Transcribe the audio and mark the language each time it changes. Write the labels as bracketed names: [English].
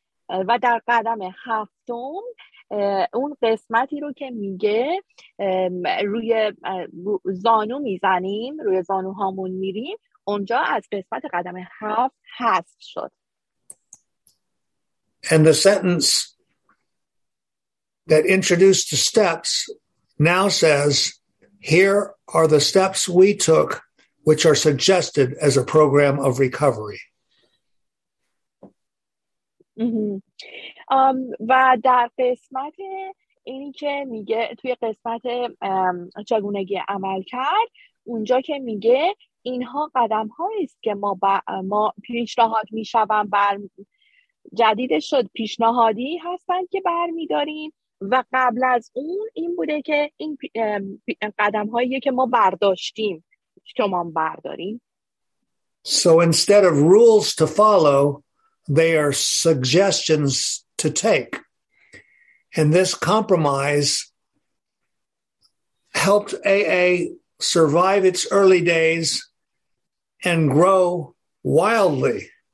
[Persian] و در قدم هفتم اون قسمتی رو که میگه روی زانو میزنیم، روی زانوهامون میریم، اونجا از قسمت قدم هفت حذف شد. [English] And the sentence that introduced the steps now says, here are the steps we took, which are suggested as a program of recovery. [Persian] و در قسمت اینی که میگه توی قسمت چگونگی عمل کرد، اونجا که میگه اینها قدم هاییست که ما پیشنهاد میشوم بر جدید شد پیشنهادی هستن که بر میداریم و قبل از اون این بوده که این قدم هایی که ما برداشتیم شما برداریم. [English] So instead of rules to follow, they are suggestions to take. And this compromise helped AA survive its early days and grow wildly.